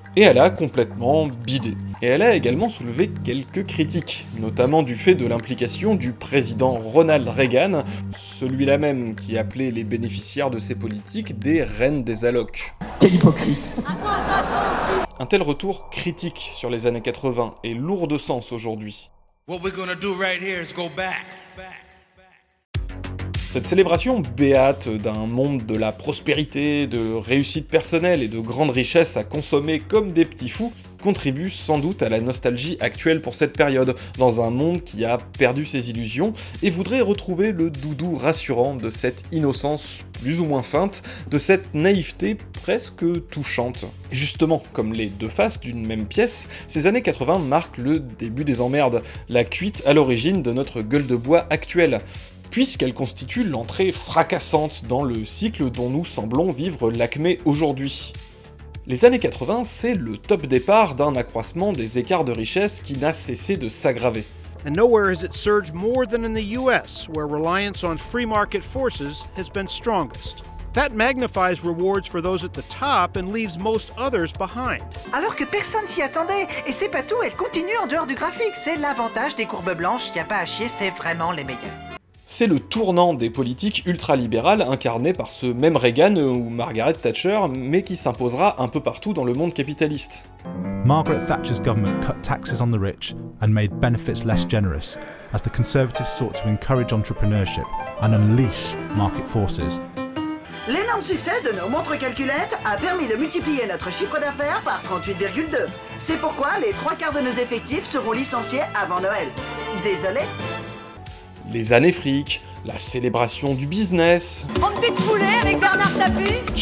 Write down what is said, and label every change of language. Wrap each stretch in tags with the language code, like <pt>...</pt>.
<fr>Et elle a complètement bidé. Et elle a également soulevé quelques critiques, notamment du fait de l'implication du président Ronald Reagan, celui-là même qui appelait les bénéficiaires de ses politiques des reines des allocs. Quel hypocrite ! Un tel retour critique sur les années 80 est lourd de sens aujourd'hui.</fr> <en>What we're gonna do right here is go back.</en> <fr>Cette célébration béate d'un monde de la prospérité, de réussite personnelle et de grande richesse à consommer comme des petits fous contribue sans doute à la nostalgie actuelle pour cette période, dans un monde qui a perdu ses illusions et voudrait retrouver le doudou rassurant de cette innocence plus ou moins feinte, de cette naïveté presque touchante. Justement, comme les deux faces d'une même pièce, ces années 80 marquent le début des emmerdes, la cuite à l'origine de notre gueule de bois actuelle, puisqu'elle constitue l'entrée fracassante dans le cycle dont nous semblons vivre l'acmé aujourd'hui. Les années 80, c'est le top départ d'un accroissement des écarts de richesse qui n'a cessé de s'aggraver.</fr> <en>And nowhere has it surged more than in the US, where reliance on free market forces has been strongest. That magnifies rewards for those at the top and leaves most others behind.</en> <fr>Alors que personne s'y attendait, et c'est pas tout, elle continue en dehors du graphique, c'est l'avantage des courbes blanches, y a pas à chier, c'est vraiment les meilleurs. C'est le tournant des politiques ultralibérales incarnées par ce même Reagan ou Margaret Thatcher, mais qui s'imposera un peu partout dans le monde capitaliste.</fr> <en>Margaret Thatcher's government cut taxes on the rich and made benefits less generous, as the Conservatives sought to encourage entrepreneurship and unleash market forces.</en> <fr>L'énorme succès de nos montres calculettes a permis de multiplier notre chiffre d'affaires par 38,2. C'est pourquoi les trois quarts de nos effectifs seront licenciés avant Noël. Désolé. Les années fric, la célébration du business. On fait de poulet avec Bernard Tapie.</fr>